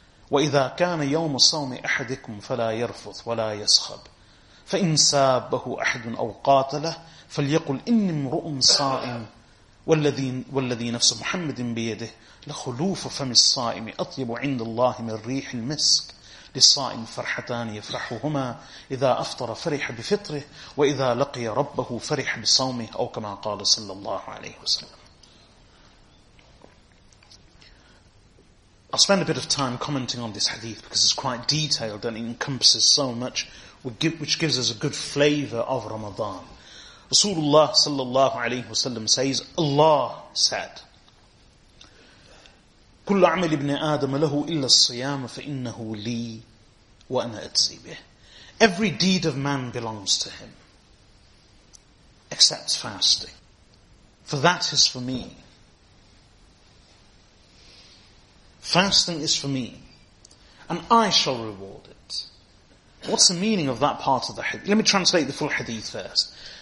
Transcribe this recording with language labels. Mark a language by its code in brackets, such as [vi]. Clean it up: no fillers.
[ar] وَإِذَا كَانَ يَوْمُ صَوْمِ أَحَدِكُمْ فَلَا يَرْفُثْ وَلَا يَسْخَبْ فَإِنْ سَابَهُ أَحْدٌ أَوْ قَاتَلَهُ فَلْيَقُلْ إِنِّي امْرُؤٌ صَائِمٌ وَالَّذِي نَفْسُ مُحَمَّدٍ بِيَدِهِ لَخُلُوفُ فَمِ الصَّائِمِ أَطْيَبُ عِنْدَ اللَّهِ مِنْ رِيحِ الْمِسْكِ لِلصَّائِمِ فَرْحَتَانِ يَفْرَحُهُمَا إِذَا أَفْطَرَ فَرِحَ بِفِطْرِهِ وَإِذَا لَقِيَ رَبَّهُ فَرِحَ بِصَوْمِهِ أَوْ كَمَا قَالَ صَلَّى اللَّهُ عَلَيْهِ وَسَلَّمَ. [en] I'll spend a bit of time commenting on this hadith because it's quite detailed and it encompasses so much, which gives us a good flavor of Ramadan. Rasulullah sallallahu alayhi wasallam says, Allah said, [ar] كُلُّ عَمَلِ ابْنِ آدَمَ لَهُ إِلَّا الصِّيَامَ فَإِنَّهُ لِي وَأَنَا أَجْزِي بِهِ. [en] Every deed of man belongs to him, except fasting. For that is for me. Fasting is for me, and I shall reward it. What's the meaning of that part of the hadith? Let me translate the full hadith first.